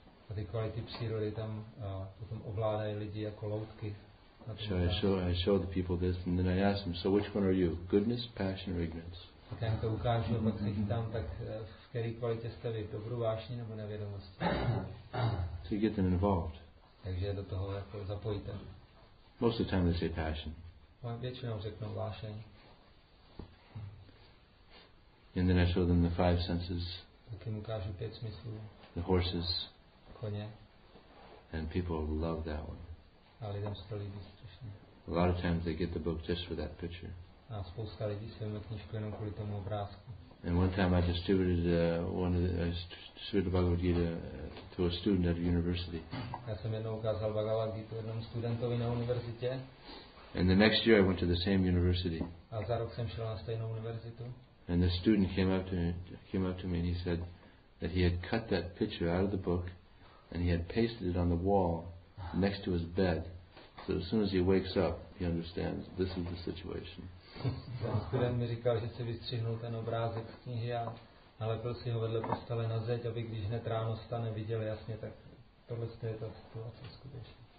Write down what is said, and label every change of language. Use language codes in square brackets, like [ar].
[cs] A ty kvality přírody tam potom ovládají lidi jako loutky. [en] So I show the people this, and then I ask them, so which one are you, goodness, passion, or ignorance? [cs] Tak já jim to ukážu, pak se chytám, tak v které kvalitě jste vy, dobrou vášní nebo nevědomost? [en] So you get them involved. [cs] Takže do toho jako zapojíte. [en] Most of the time they say passion. [cs] A většinou řeknou vášeň. [en] And then I show them the five senses. [cs] Tak jim ukážu pět smyslů. [en] The horses. [cs] Koně. [en] And people love that one. [cs] A lidem se to líbí strašně. [en] A lot of times they get the book just for that picture. [cs] A spousta lidí si vezme knižku jenom kvůli tomu obrázku. [en] And one time I distributed the Bhagavad Gita to a student at a university. [cs] Já jsem jednou ukázal Bhagavad Gita jednomu studentovi na univerzitě. [en] And the next year I went to the same university. [cs] A za rok jsem šel na stejnou univerzitu. [en] And the student came up to me and he said that he had cut that picture out of the book and he had pasted it on the wall next to his bed. So as soon as he wakes up, he understands this is the situation. [cs] Ten student mi říkal, že si vystřihnul ten obrázek z knihy a nalepil si ho vedle postele na zeď, aby když hned ráno stane, viděl jasně, tak tohle je ta situace skutečně.